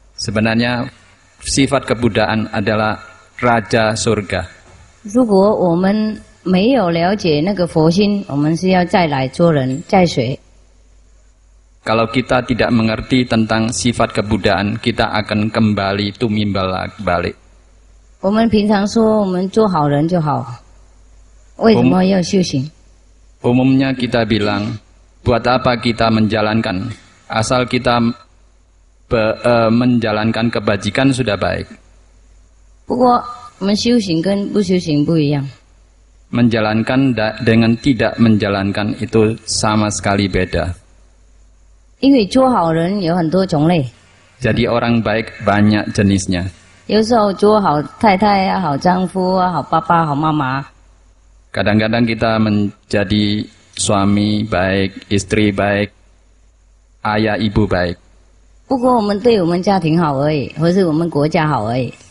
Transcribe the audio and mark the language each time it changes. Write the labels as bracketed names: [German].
[Indonesian] Sebenarnya sifat kebuddhaan adalah raja surga. [Chinese] 如果我们没有了解那个佛心，我们是要再来做人，再学。 [Indonesian] Kalau kita tidak mengerti tentang sifat kebuddhaan, kita akan kembali tumimbal balik. [Chinese] 我们平常说我们做好人就好，为什么要修行？ [Indonesian] Umumnya kita bilang, buat apa kita menjalankan? Asal kita menjalankan kebajikan sudah baik. [Chinese] 不过，我们修行跟不修行不一样。 [Indonesian] Menjalankan dengan tidak menjalankan itu sama sekali beda. [Chinese] 因为做好人有很多种类。 [Indonesian] Jadi orang baik banyak jenisnya. [Chinese] 有时候做好太太啊，好丈夫啊，好爸爸，好妈妈。 [Indonesian] Kadang-kadang kita menjadi suami baik, istri baik, ayah ibu baik. [Chinese] 不过我们对我们家庭好而已，或是我们国家好而已。